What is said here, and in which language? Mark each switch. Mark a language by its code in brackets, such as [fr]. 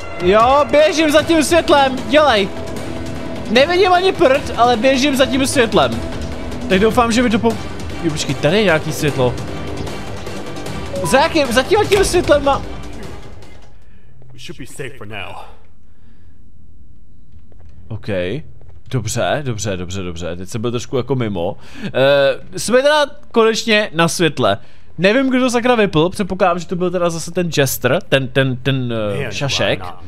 [cs] Jo, běžím za tím světlem, dělej. Nevidím ani prd, ale běžím za tím světlem. Tak doufám, že mi to jo, počkej, tady je nějaký světlo. Za jakým, za tím světlem mám. [en] We should be safe for now. OK. [cs] Dobře, teď jsem byl trošku jako mimo. Jsme teda konečně na světle. Nevím, kdo to sakra vypl, předpokládám, že to byl teda zase ten Jester, ten šašek.